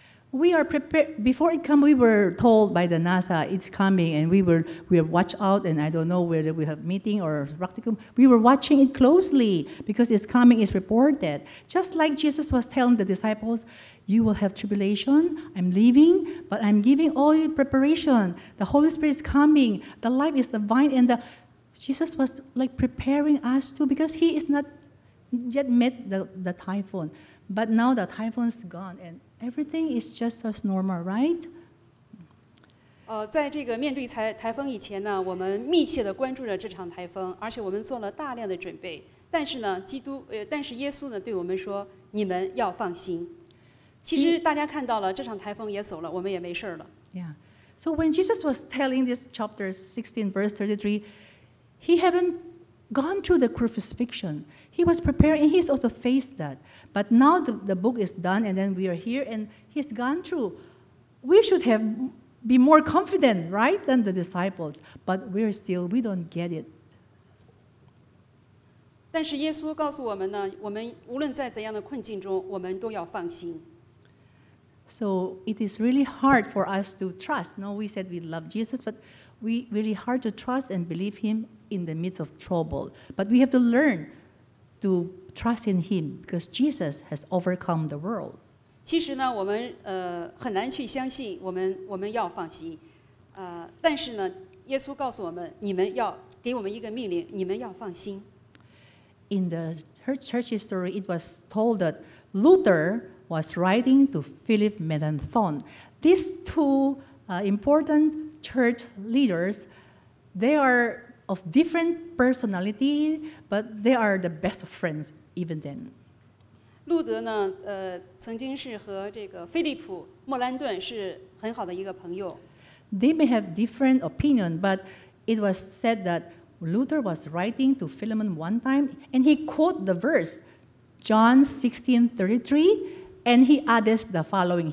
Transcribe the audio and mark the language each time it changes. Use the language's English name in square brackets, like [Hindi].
[English] We are prepared. Before it came, we were told by the NASA it's coming, and we were watch out. And I don't know whether we have meeting or practicum. We were watching it closely because it's coming. It's reported. Just like Jesus was telling the disciples, you will have tribulation. I'm leaving, but I'm giving all your preparation. The Holy Spirit is coming. The life is the vine, and Jesus was like preparing us too because he is not yet met the typhoon. But now the typhoon's gone and. Everything is just as normal, right? [Chinese] 在这个面对台风以前呢，我们密切的关注着这场台风，而且我们做了大量的准备。但是呢，但是耶稣呢，对我们说，你们要放心。其实大家看到了，这场台风也走了，我们也没事了。 [English] Yeah. So when Jesus was telling this chapter 16, verse 33, he haven't gone through the crucifixion. He was preparing, and he's also faced that. But now the book is done, and then we are here, and he's gone through. We should have be more confident, right, than the disciples. But we're still, we don't get it. [Chinese] 但是耶稣告诉我们呢，我们无论在怎样的困境中，我们都要放心。 [English] So it is really hard for us to trust. No, we said we love Jesus, but we really hard to trust and believe him in the midst of trouble. But we have to learn to. Trust in Him because Jesus has overcome the world. [Chinese] 其实呢，我们很难去相信，我们要放心，但是呢，耶稣告诉我们，你们要给我们一个命令，你们要放心。 [English] In the church history, it was told that Luther was writing to Philip Melanchthon. These two important church leaders, they are of different personality, but they are the best of friends. Even then, [Chinese] 路德呢？曾经是和这个菲利普·莫兰顿是很好的一个朋友。 [English] They may have different opinion, but it was said that Luther was writing to Philemon one time, and he quoted the verse John 16:33, and he added the following.